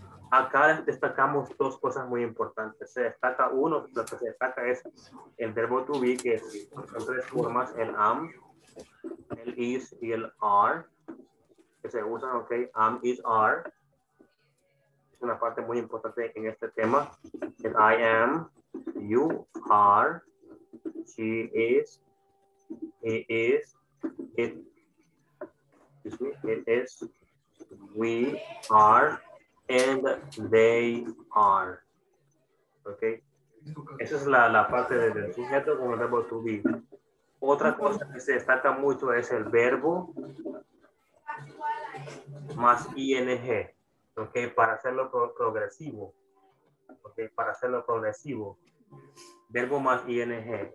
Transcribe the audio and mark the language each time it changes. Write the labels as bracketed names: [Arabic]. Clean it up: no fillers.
[Spanish] Acá destacamos dos cosas muy importantes. Se destaca uno, lo que se destaca es el verbo to be, que es en tres formas, el am, el is y el are, que se usan, ok, am, is, are. Es una parte muy importante en este tema. [English] El I am, you are, she is, he is, it, it is, we are, and they are. Ok. [Spanish] Esa es la parte del sujeto con el verbo to be. Otra cosa que se destaca mucho es el verbo más ing. Ok. Para hacerlo progresivo. Ok. Para hacerlo progresivo. Verbo más ing.